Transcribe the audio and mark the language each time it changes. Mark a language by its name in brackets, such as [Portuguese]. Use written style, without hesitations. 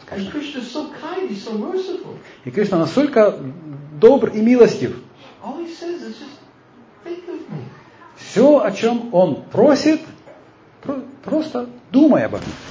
[English] And Krishna is so kind, he's so merciful. [Russian] И Кришна настолько добр и милостив. [English] All he says is just think of me. [Russian] Все, о чем он просит, просто думай об этом.